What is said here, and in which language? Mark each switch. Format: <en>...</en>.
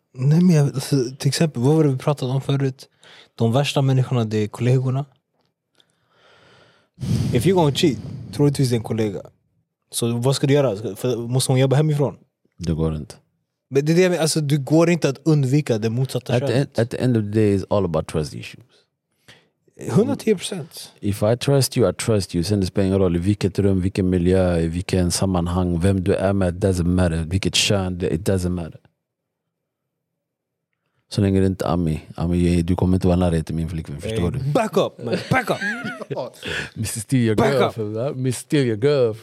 <sv>Nej, men jag, alltså, till exempel, vad var det vi pratade om förut? De värsta människorna, det är kollegorna.</sv> <en>If you're going to cheat,</en> <sv>troligtvis det är en kollega. Så vad ska du göra? För, måste hon jobba hemifrån? Det går inte. Men det är det jag menar, alltså, du går inte att undvika det motsatta könet.</sv> <en>At the end of the day, it's all about trust issues. 110%. If I trust you, I trust you.</en> <sv>Sen det spelar ingen roll i vilket rum, vilken miljö, i vilken sammanhang, vem du är med,</sv> <en>it doesn't matter.</en> <sv>Vilket kön,</sv> <en>it doesn't matter.</en> <sv>Så länge det inte är Ami, du kommer inte vara närhet till min flickvän, förstår du?</sv> <en>Back up, man. Back up! Mr. Steal your back girl. Mr. Steal your girl.</en>